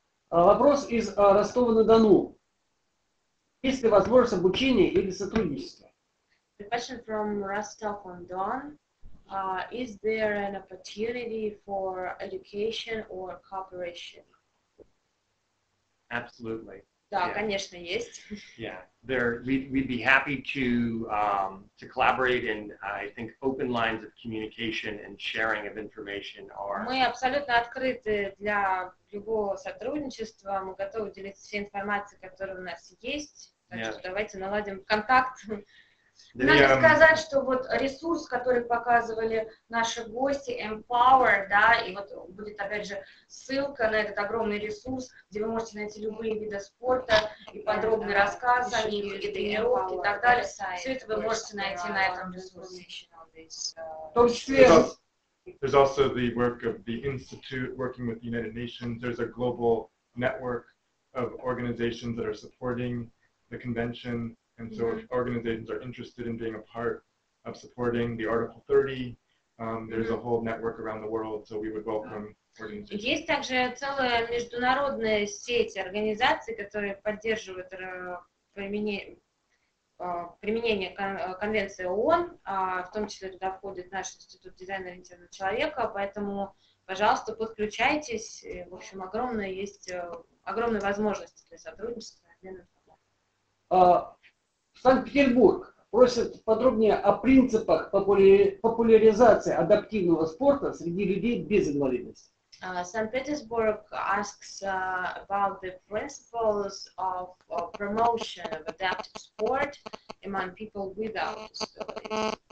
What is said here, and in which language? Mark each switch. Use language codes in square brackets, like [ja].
[ru] Вопрос из Ростова-на-Дону. Есть ли возможность обучения или сотрудничества? [en] The question from Rostov-on-Don. Is there an opportunity for education or cooperation? Absolutely. [ru] Да, yeah. конечно, есть. [en] Yeah, there we'd be happy to collaborate, and I think open lines of communication and sharing of information are. [ru] Мы абсолютно открыты для любого сотрудничества. Мы готовы делиться всей информацией, которая у нас есть. Так yeah. что давайте наладим контакт. Надо сказать, что вот ресурс, который показывали наши гости, Empower, да, и вот будет опять же ссылка на этот огромный ресурс, где вы можете найти любые виды спорта и подробный yeah, рассказ о них, и тренировки, и так далее. Сайт, все это вы можете найти на этом ресурсе. [en] There's also the work of the Institute working with the United Nations. There's a global network of organizations that are supporting the convention. And so if organizations are interested in being a part of supporting the Article 30, there's a whole network around the world, so we would welcome organizations. [ru] Есть также целая международная сеть организаций, которые поддерживают применение конвенции ООН, в том числе туда входит наш Институт дизайна ориентированного человека, поэтому, пожалуйста, подключайтесь. В общем, огромные возможности для сотрудничества. Санкт-Петербург просит подробнее о принципах популяризации адаптивного спорта среди людей без инвалидности. [en] Санкт-Петербург asks about the principles of promotion of adaptive sport among people without disabilities.